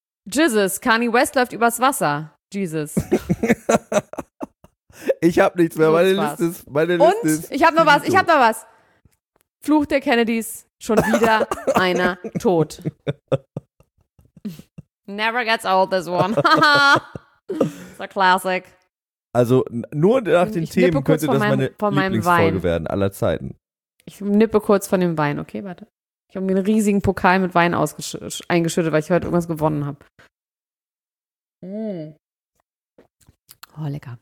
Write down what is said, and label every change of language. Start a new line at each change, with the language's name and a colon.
German: Jizzes, Kanye West läuft übers Wasser. Jesus. Ich hab nichts mehr, meine Liste ist. Und? Ich hab noch was. Fluch der Kennedys, schon wieder einer tot.
English: Never gets old, this one. It's a classic.
German: Also nur nach den Themen könnte das meine Lieblingsfolge werden aller Zeiten. Ich nippe kurz von dem Wein, okay, warte. Ich habe mir einen riesigen Pokal mit Wein eingeschüttet, weil ich heute irgendwas gewonnen habe. Mm. Oh, lecker.